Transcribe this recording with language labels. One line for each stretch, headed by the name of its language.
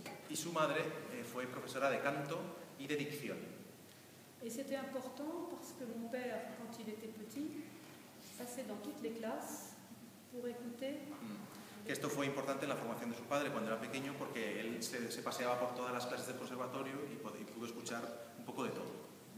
Spanish: Y su madre fue profesora de canto y de dicción.
French: Y c'était important parce que mon père, quand il était petit, passait dans toutes les classes pour écouter.
Spanish: Que esto fue importante en la formación de su padre cuando era pequeño, porque él se paseaba por todas las clases del conservatorio y pudo escuchar un poco de todo.